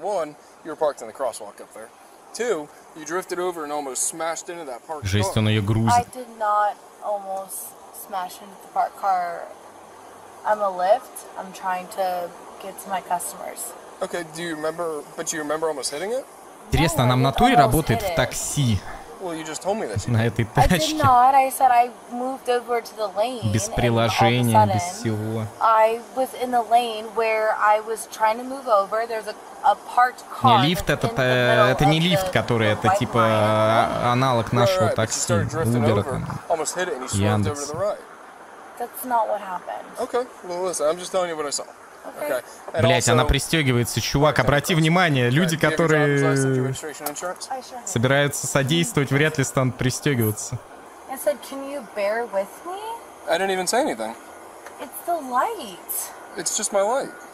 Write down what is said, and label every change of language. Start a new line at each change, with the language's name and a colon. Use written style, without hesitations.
English: One, you were parked in the crosswalk up there. Two, you drifted over and almost smashed into that parked car.
Russian: Жесть, он её грузит.
English: I did not almost smash into the parked car. I'm a Lyft. I'm trying to get to my customers. Okay, do you remember, but you remember almost hitting it?
Russian: Интересно, она в натуре работает в такси?
English: Well, you just told me this.
Russian: На этой тачке.
English: I did not. I said I moved over to the lane.
Russian: Без приложения,
English: sudden,
Russian: без всего.
English: I was in the lane where I was trying to move over. There's a parked car.
Russian: Не лифт, это не лифт, который это типа аналог нашего такси Uber.
English: Almost hit it and you swerved over to the right. That's not what happened. Okay. Well, listen, I'm just telling you what I saw. Okay.
Russian: Блять, она пристегивается, чувак, обрати внимание, люди, которые собираются содействовать, вряд ли станут пристегиваться.
English: I said, can you bear with me? I didn't even say anything. It's the light. It's just my light.